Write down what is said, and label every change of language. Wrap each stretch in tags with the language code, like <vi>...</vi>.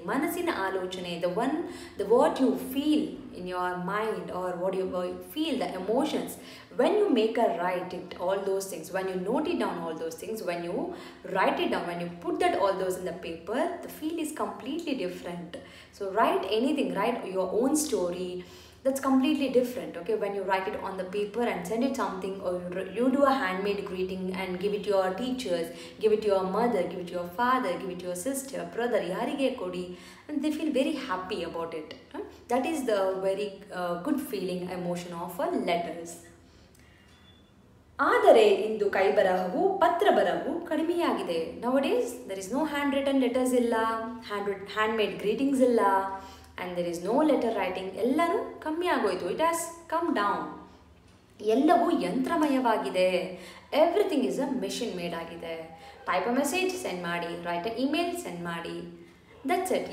<kn>ಮನಸ್ಸಿನ ಆಲೋಚನೆ,</kn> <en>The what you feel in your mind, or what you feel, the emotions, when you make a write it all those things, when you note it down all those things, when you write it down, when you put that all those in the paper, the feel is completely different. So write anything, write your own story, that's completely different. Okay, when you write it on the paper and send it something, or you do a handmade greeting and give it to your teachers, give it to your mother, give it to your father, give it to your sister, brother,</en> <kn>yarige kodi,</kn> <en>and they feel very happy about it. That is the very good feeling, emotion of a letters.</en> <kn>ಆದರೆ ಇಂದು ಕೈ ಬರಹವು ಪತ್ರ ಬರಹವು ಕಡಿಮೆಯಾಗಿದೆ.</kn> <en>nowadays there is no hand written letters</en> <kn>ಇಲ್ಲ,</kn> <en>handmade greetings ಇಲ್ಲ, and there is no letter writing,</en> <kn>ellaru kammiyagoyitu,</kn> <en>it has come down,</en> <kn>ellavu yantramayavagide,</kn> <en>everything is a machine made</en> <kn>agide.</kn> <en>Type a message, send</en> <kn>maadi,</kn> <en>write a email, send maadi, that's it.</en>